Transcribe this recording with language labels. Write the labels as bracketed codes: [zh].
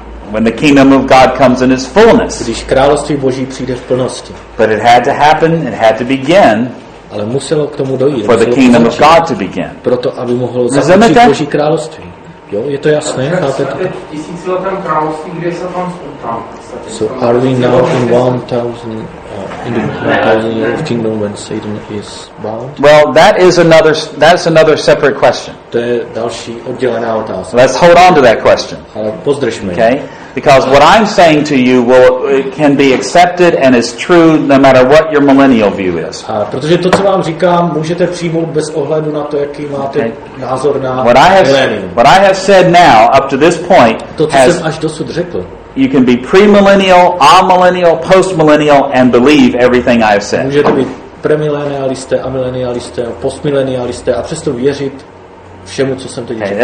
[en] When the kingdom of God comes in its fullness. [cs] Když království Boží přijde v plnosti. [en] But it had to happen, it had to begin. [cs] Ale muselo k tomu dojít. [en] For the kingdom of God to begin. [cs] Proto aby mohlo začít Boží království. Jo, je to jasné, chápete to? Tisíc let tam království, kde se tam spoután. [en] So are we now in 1000 of kingdom when Satan is bound? Well, that's another separate question. [cs] To je další oddělená otázka. [en] Let's hold on to that question. [cs] Ale pozdržme. [en] Okay? Because what I'm saying to you can be accepted and is true no matter what your millennial view is. [cs] Protože to, co vám říkám, můžete přijmout bez ohledu na to, jaký máte názor na milénium. [en] What I have said now up to this point, [cs] to, co jsem až dosud řekl, [en] you can be premillennial, amillennial, postmillennial and believe everything I have said. [cs] Můžete být premilenialisté, amilenialisté, postmilenialisté a přesto věřit všemu, co jsem teď řekl.